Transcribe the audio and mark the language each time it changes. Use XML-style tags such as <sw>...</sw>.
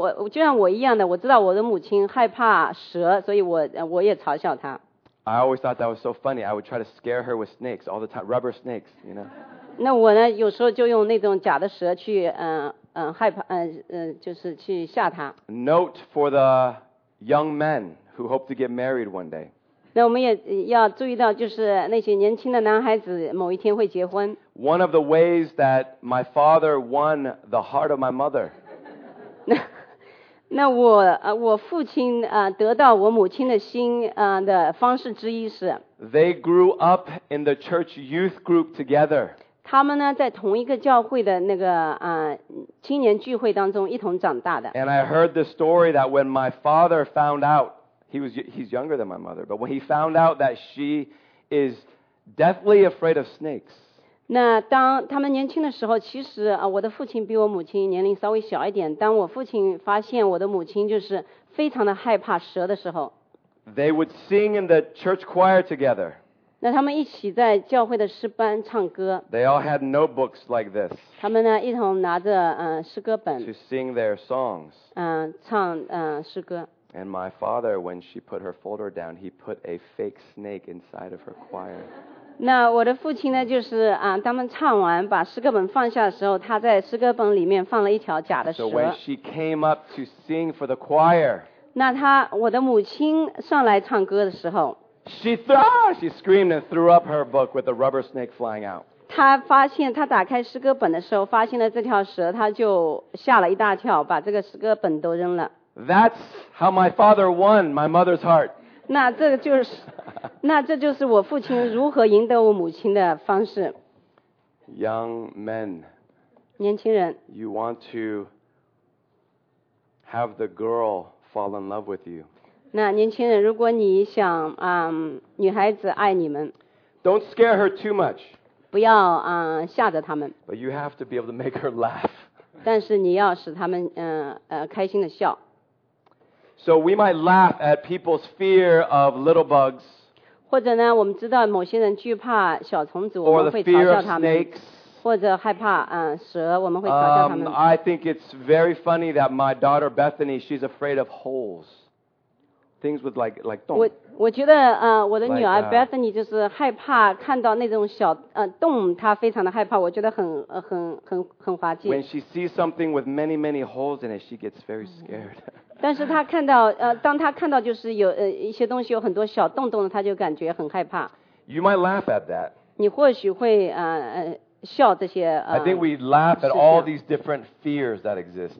<zh>就像我一样的，我知道我的母亲害怕蛇，所以我也嘲笑她。</zh> <en>I always thought that was so funny. I would try to scare her with snakes all the time, rubber snakes, you know.</en> <zh>那我呢，有时候就用那种假的蛇去，害怕，就是去吓她。</zh> <en>Note for the young men who hope to get married one day.</en> <zh>那我们也要注意到，就是那些年轻的男孩子某一天会结婚。</zh> <en>One of the ways that my father won the heart of my mother.</en> <zh>那我父亲得到我母亲的心的方式之一是</zh> <en>They grew up in the church youth group together.</en> <zh>他们呢在同一个教会的那个青年聚会当中一同长大的。</zh> <en>And I heard the story that when my father found out, he's younger than my mother, but when he found out that she is deathly afraid of snakes.</en> <zh>那当他们年轻的时候，其实我的父亲比我母亲年龄稍微小一点。当我父亲发现我的母亲就是非常的害怕蛇的时候</zh> <en>，They would sing in the church choir together。</en> <zh>那他们一起在教会的诗班唱歌。</zh> <en>They all had notebooks like this.</en> <zh>他们呢一同拿着诗歌本。</zh> <en>To sing their songs.</en> <zh>唱诗歌。</zh> <en>And my father, when she put her folder down, he put a fake snake inside of her choir.</en> <zh>那我的父亲呢，就是他们唱完把诗歌本放下的时候，他在诗歌本里面放了一条假的蛇。</zh> <en>So when she came up to sing for the choir.</en> <zh>那他我的母亲上来唱歌的时候。</zh> <en>She screamed and threw up her book with the rubber snake flying out.</en> <zh>她发现她打开诗歌本的时候，发现了这条蛇，她就吓了一大跳，把这个诗歌本都扔了。</zh> <en>That's how my father won my mother's heart.</en> <zh>那这就是我父亲如何赢得我母亲的方式。</zh> <en>Young men,</en> <zh>年轻人</zh> <en>，You want to have the girl fall in love with you.</en> <zh>那年轻人，如果你想女孩子爱你们</zh> <en>，Don't scare her too much.</en> <zh>不要吓着他们。</zh> <en>But you have to be able to make her laugh.</en> <zh>但是你要使他们开心的笑。</zh> <en>So we might laugh at people's fear of little bugs.</en> <zh>或者呢，我们知道某些人惧怕小虫子，我们会嘲笑他们。</zh> <en>Or the fear of snakes.</en> <zh>或者害怕蛇，我们会嘲笑他们。</zh> <en>I think it's very funny that my daughter Bethany, she's afraid of holes. Things with like don't.</en> <zh>我觉得我的女儿 Bethany 就是害怕看到那种小洞，她非常的害怕，我觉得很滑稽。</zh> <en>When she sees something with many many holes in it, she gets very scared.</en> <zh>但是她看到当她看到就是有一些东西有很多小洞洞的，她就感觉很害怕。</zh> <en>You might laugh at that.</en> <zh>你或许会笑这些</zh> <en>I think we laugh at all these different fears that exist.</en>